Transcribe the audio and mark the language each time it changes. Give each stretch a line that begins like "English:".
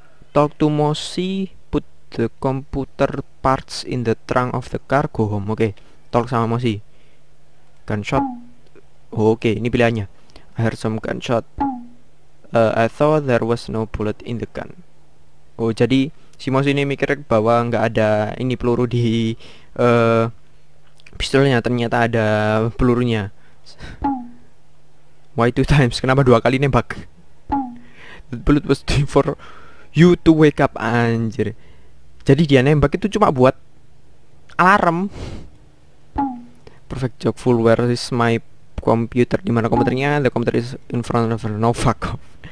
English: Talk to Mossy, put the computer parts in the trunk of the car, go home.
Indonesian: Oke, talk sama Mossy. Gunshot. Oke, ini pilihannya.
English: I heard some gunshot. I thought there was no bullet in the gun.
Indonesian: Oh, jadi si Mossy ini mikir bahwa nggak ada ini peluru di pistolnya, ternyata ada pelurunya.
English: Why two times?
Indonesian: Kenapa dua kali nembak?
English: The bullet was for you to wake up.
Indonesian: Anjir. Jadi dia nembak itu cuma buat alarm.
English: Perfect job, full. Where is my computer?
Indonesian: Di mana komputernya?
English: The computer is in front of her. No, fuck off.